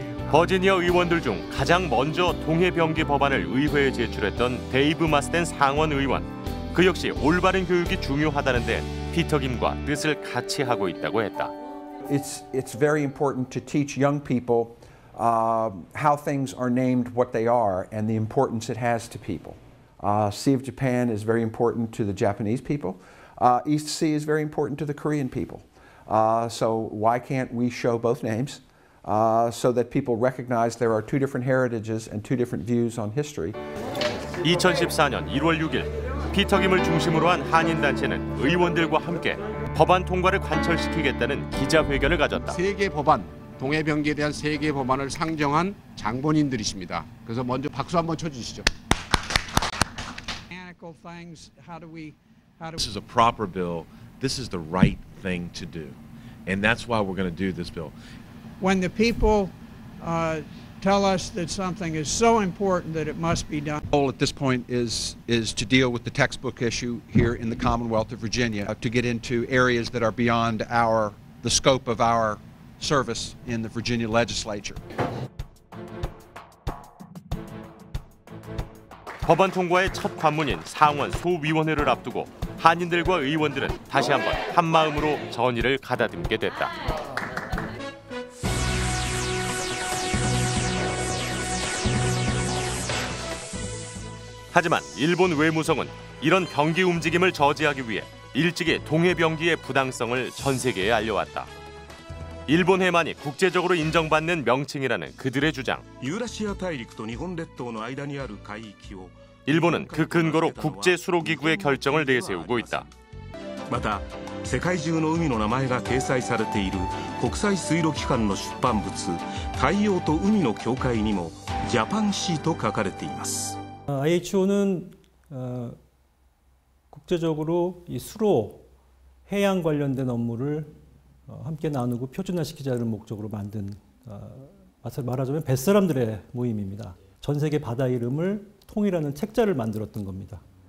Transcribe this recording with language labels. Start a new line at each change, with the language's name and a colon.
Korean: 버지니아 의원들 중 가장 먼저 동해 병기 법안을 의회에 제출했던 데이브 마스덴 상원 의원. 그 역시 올바른 교육이 중요하다는 데 피터 김과 뜻을 같이 하고 있다고 했다.
English: It's very important to teach young people how things are named, what they are, and the importance it has to people. Sea of Japan is very important to the Japanese people. East Sea is very important to the Korean people. So why can't we show both names so that people recognize there are two different heritages and two different views on history.
Korean: 2014년 1월 6일 피터 김을 중심으로 한 한인 단체는 의원들과 함께 법안 통과를 관철시키겠다는 기자회견을 가졌다. 세계 법안, 동해 병기에 대한 세계 법안을 상정한 장본인들이십니다. 그래서 먼저 박수 한번 쳐 주시죠. This is a proper bill. This is the right thing to do. And that's why we're going to do this bill. When the people tell us that something is so important that it must be done. The goal at this point is to deal with the textbook issue here in the Commonwealth of Virginia, to get into areas that are beyond the scope of our service in the Virginia legislature. 법안 통과의 첫 관문인 상원 소위원회를 앞두고 한인들과 의원들은 다시 한번 한 마음으로 전의를 가다듬게 됐다. 하지만 일본 외무성은 이런 병기 움직임을 저지하기 위해 일찍이 동해 병기의 부당성을 전 세계에 알려왔다. 일본 해만이 국제적으로 인정받는 명칭이라는 그들의 주장. 유라시아 대륙과 일본 대륙의 해안이 일본은 그 근거로 국제 수로 기구의 결정을 내세우고 있다. 마다
Japanese: 世界中の海の名前が掲載されている国際水路機関の出版物太陽と海の境界にもジャパンシート書かれています.
Korean: IHO는 국제적으로 이 수로 해양 관련된 업무를 함께 나누고 표준화시키자는 목적으로 만든 말하자면 뱃사람들의 모임입니다. 전 세계 바다 이름을 통이라는 책자를 만들었던 겁니다.